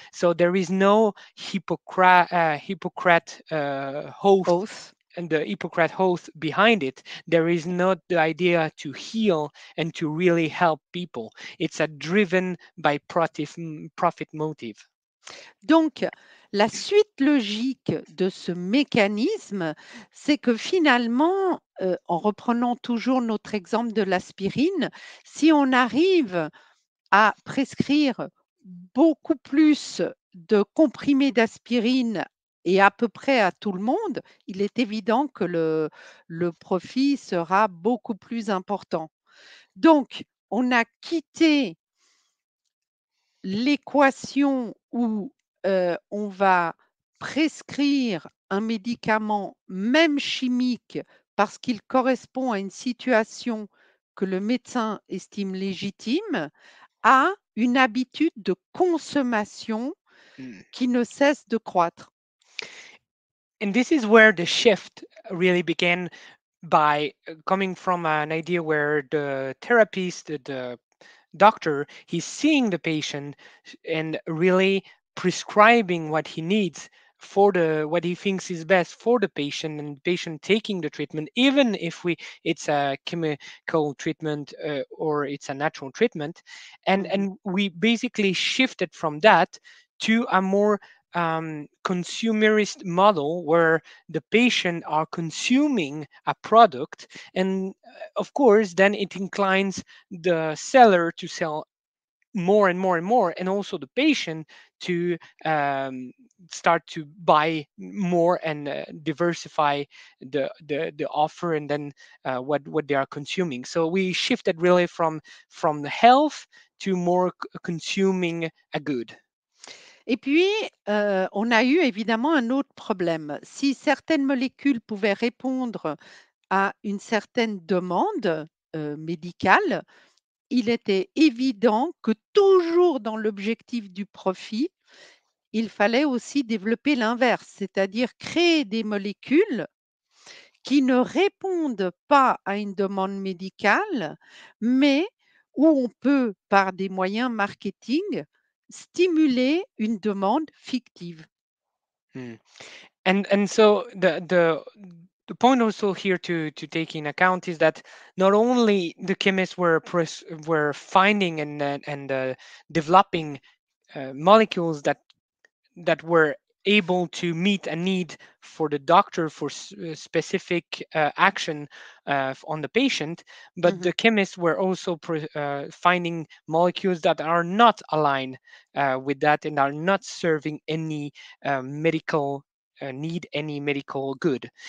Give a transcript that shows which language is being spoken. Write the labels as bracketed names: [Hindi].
[English] So there is no Hippocrate oath behind it. There is not the idea to heal and to really help people. It's a driven by profit motive. [French] Donc, la suite logique de ce mécanisme, c'est que finalement, en reprenant toujours notre exemple de l'aspirine, si on arrive à prescrire beaucoup plus de comprimés d'aspirine et à peu près à tout le monde, il est évident que le profit sera beaucoup plus important. Donc, on a quitté l'équation où on va prescrire un médicament, même chimique, parce qu'il correspond à une situation que le médecin estime légitime, à une habitude de consommation qui ne cesse de croître. [English] And this is where the shift really began, by coming from an idea where the therapist, the doctor, he's seeing the patient and really prescribing what he needs for the what he thinks is best for the patient, and the patient taking the treatment, even if we it's a chemical treatment or it's a natural treatment, and we basically shifted from that to a more consumerist model where the patient are consuming a product, and of course then it inclines the seller to sell more and more and more, and also the patient to start to buy more and diversify the offer and then what they are consuming. So we shifted really from the health to more consuming a good. [French] Et puis, on a eu évidemment un autre problème. Si certaines molécules pouvaient répondre à une certaine demande médicale, il était évident que toujours dans l'objectif du profit, il fallait aussi développer l'inverse, c'est-à-dire créer des molécules qui ne répondent pas à une demande médicale, mais où on peut, par des moyens marketing, stimuler une demande fictive. [English] And so the point also here to take in account is that not only the chemists were finding and developing molecules that were able to meet a need for the doctor for specific action on the patient, but mm-hmm. the chemists were also finding molecules that are not aligned with that and are not serving any medical need, any medical good.